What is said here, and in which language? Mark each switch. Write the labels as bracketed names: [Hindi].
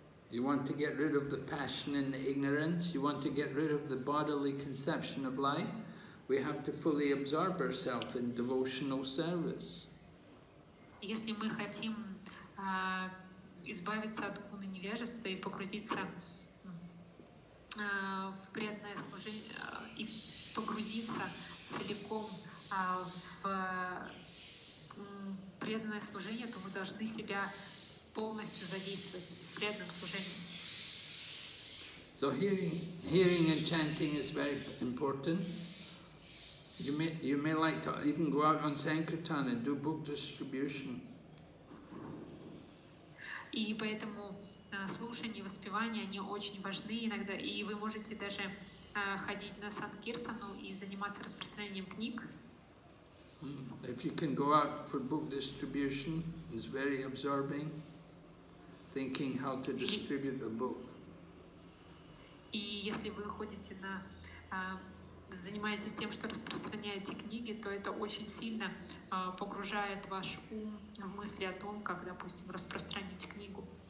[English] You want to get rid of the passion and the ignorance, you want to get rid of the bodily conception of life, we have to fully absorb ourselves in devotional service. [Russian] Если мы хотим избавиться от гуны невежества и погрузиться в преданное служение и погрузиться целиком в преданное служение, то мы должны себя полностью задействовать в преданном служении. [English] So hearing and chanting is very important. You may like to even go out on Sankirtan and do book distribution. [Russian] И поэтому слушание, воспевание, они очень важны иногда, и вы можете даже ходить на Санкиртану и заниматься распространением книг. [English] If you can go out for book distribution, it's very absorbing, thinking how to distribute a book. [Russian] И если вы ходите на, занимаетесь тем, что распространяете книги, то это очень сильно погружает ваш ум в мысли о том, как, допустим, распространить книгу.